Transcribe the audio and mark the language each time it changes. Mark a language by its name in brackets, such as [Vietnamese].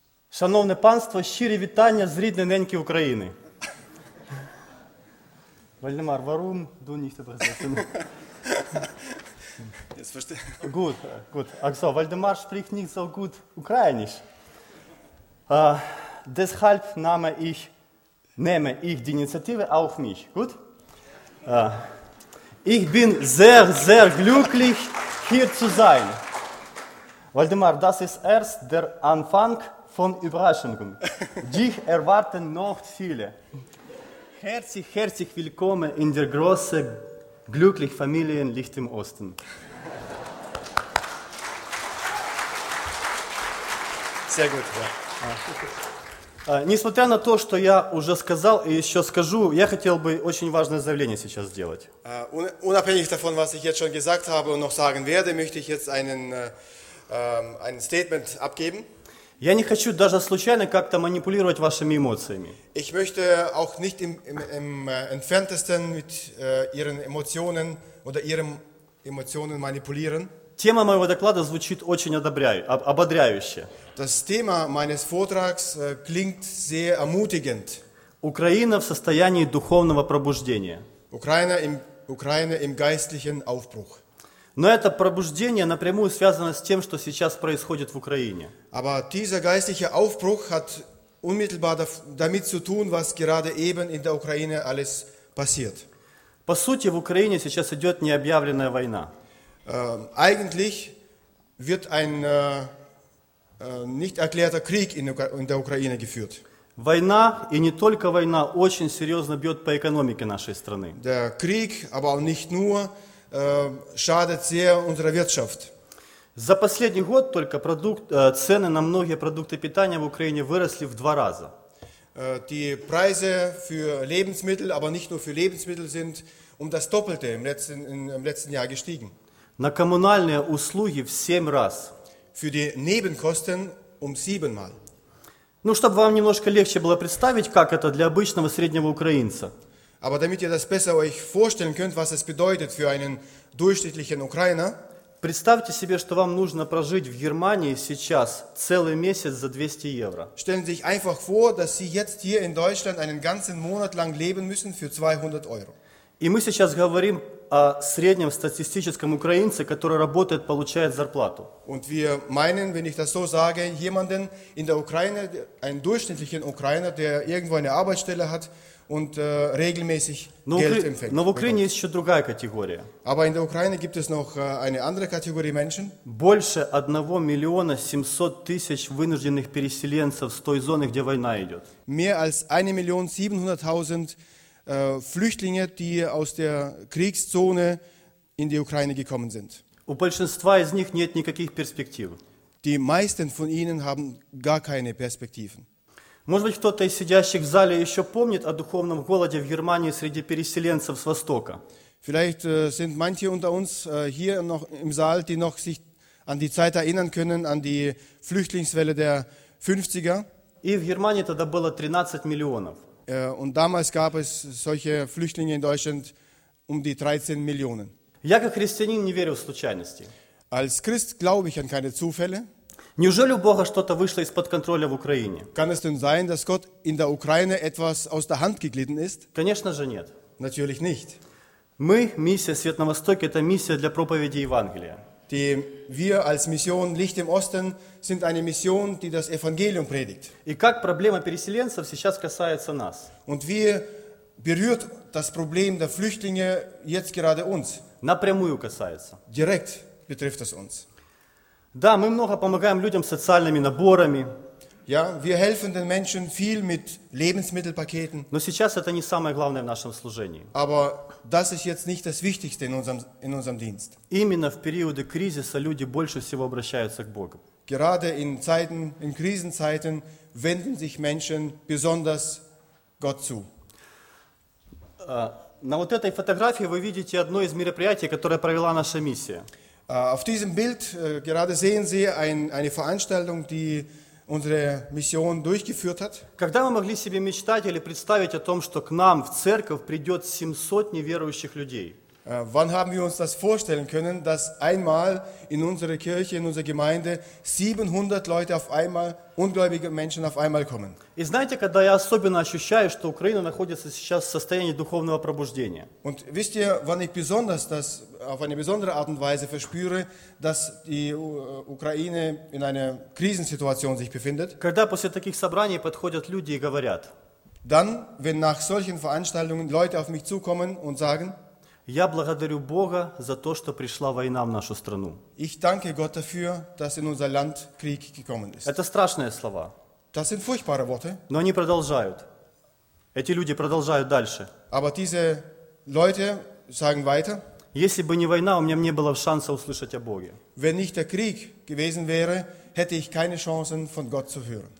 [Ukrainian] Шановне панство, щирі вітання з рідної неньки України. Вальдемар Варун, до нігте бразильців. [German] Jetzt verstehe. Gut, gut. Also, Вальдемар spricht nicht so gut ukrainisch. Deshalb nehme ich die Initiative auf mich. Gut? Ich bin sehr, sehr glücklich, hier zu sein. Вальдемар, das ist erst der Anfang von Überraschungen. Dich erwarten noch viele. Herzlich willkommen in der großen, glücklichen Familie Licht im Osten. Sehr gut. Ja. [Russian] Несмотря на то, что я уже сказал и еще скажу, я хотел бы очень важное заявление сейчас сделать. [German] Unabhängig davon, was ich jetzt schon gesagt habe und noch sagen werde, möchte ich jetzt einen Statement abgeben. [Russian] Я не хочу даже случайно как-то манипулировать вашими эмоциями. [German] Ich möchte auch nicht im entferntesten mit ihren Emotionen oder ihren Emotionen manipulieren. [Russian] Тема моего доклада звучит очень ободряюще. [German] Das Thema meines Vortrags klingt sehr ermutigend. [Russian] Украина в состоянии духовного пробуждения. [German] Украина im geistlichen Aufbruch. [Russian] Но это пробуждение напрямую связано с тем, что сейчас происходит в Украине. [German] Aber dieser geistliche Aufbruch hat unmittelbar damit zu tun, was gerade eben in der Ukraine alles passiert. [Russian] По сути, в Украине сейчас идет необъявленная война. [German] Eigentlich wird ein nicht erklärter Krieg in der Ukraine geführt. [Russian] Война, и не только война, очень серьезно бьет по экономике нашей страны. [German] Der Krieg, aber auch nicht nur, schadet sehr unserer Wirtschaft. [Russian] За последний год только цены на многие продукты питания в Украине выросли в два раза. [German] Die Preise für Lebensmittel, aber nicht nur für Lebensmittel, sind das Doppelte im letzten Jahr gestiegen. [Russian] На коммунальные услуги в 7 раз. [German] Für die Nebenkosten 7 Mal. [Russian] Ну, чтобы вам немножко легче было представить, как это для обычного среднего украинца. [German] Aber damit ihr das besser euch vorstellen könnt, was es bedeutet für einen durchschnittlichen Ukrainer. [Russian] Представьте себе, что вам нужно прожить в Германии сейчас целый месяц за 200 евро. [German] Stellen Sie sich einfach vor, dass Sie jetzt hier in Deutschland einen ganzen Monat lang leben müssen für 200 Euro. [Russian] И мы сейчас говорим о среднем статистическом украинце, который работает, получает зарплату. [German] Und wir meinen, wenn ich das so sage, jemanden in der Ukraine, einen durchschnittlichen Ukrainer, der irgendwo eine Arbeitsstelle hat und regelmäßig Geld empfängt. [Russian] Но в Украине есть еще другая категория. [German] Aber in der Ukraine gibt es noch eine andere Kategorie Menschen. [Russian] Больше 1.700.000 вынужденных переселенцев с той зоны, где война идет. [German] Mehr als 1.700.000 Flüchtlinge, die aus der Kriegszone in die Ukraine gekommen sind. [Russian] У большинства из них нет никаких перспектив. [German] Die meisten von ihnen haben gar keine Perspektiven. [Russian] Может быть, кто-то из сидящих в зале еще помнит о духовном голоде в Германии среди переселенцев с Востока. [German] Vielleicht sind manche unter uns hier noch im Saal, die noch sich an die Zeit erinnern können, an die Flüchtlingswelle der 50er. [Russian] И в Германии тогда было 13 миллионов. [German] Und damals gab es solche Flüchtlinge in Deutschland die 13 Millionen. [Russian] Я как христианин не верю в случайности. [German] Als Christ glaube ich an keine Zufälle. [Russian] Неужели у Бога что-то вышло из-под контроля в Украине? [German] Kann es denn sein, dass Gott in der Ukraine etwas aus der Hand geglitten ist? [Russian] Конечно же нет. [German] Natürlich nicht. [Russian] Мы, миссия «Свет на Востоке», это миссия для проповеди Евангелия. [German] Die wir als Mission Licht im Osten sind eine Mission, die das Evangelium predigt. [Russian] И как проблема переселенцев сейчас касается нас? [German] Und wie berührt das Problem der Flüchtlinge jetzt gerade uns? [Russian] Напрямую касается. [German] Direkt betrifft es uns. [Russian] Да, мы много помогаем людям социальными наборами. [German] Ja, wir helfen den Menschen viel mit Lebensmittelpaketen. [Russian] Но сейчас это не самое главное в нашем служении. [German] Aber das ist jetzt nicht das Wichtigste in unserem Dienst. [Russian] Именно в периоды кризиса люди больше всего обращаются к Богу. [German] Gerade in Krisenzeiten wenden sich Menschen besonders Gott zu. [Russian] На вот этой фотографии вы видите одно из мероприятий, которое провела наша миссия. [German] Auf diesem Bild gerade sehen Sie eine Veranstaltung, die unsere Mission durchgeführt hat. [Russian] Когда мы могли себе мечтать или представить о том, что к нам в церковь придет 700 неверующих людей? [German] Wann haben wir uns das vorstellen können, dass einmal in unserer Kirche, in unserer Gemeinde 700 Leute auf einmal, ungläubige Menschen auf einmal kommen? [Russian] И знаете, когда я особенно ощущаю, что Украина находится сейчас в состоянии духовного пробуждения? [German] Und wisst ihr, wann ich besonders das auf eine besondere Art und Weise verspüre, dass die Ukraine in einer Krisensituation sich befindet? [Russian] Когда после таких собраний подходят люди и говорят: [German] Dann, wenn nach solchen Veranstaltungen Leute auf mich zukommen und sagen: [Russian] Я благодарю Бога за то, что пришла война в нашу страну. [German] Ich danke Gott dafür, dass in unser Land Krieg gekommen ist. [Russian] Это страшные слова. [German] Das sind furchtbare Worte. [Russian] Но они продолжают. Эти люди продолжают дальше. [German] Aber diese Leute sagen weiter. [Russian] Если бы не война, у меня не было шанса услышать о Боге. [German] Wenn nicht der Krieg gewesen wäre, hätte ich keine Chancen von Gott zu hören.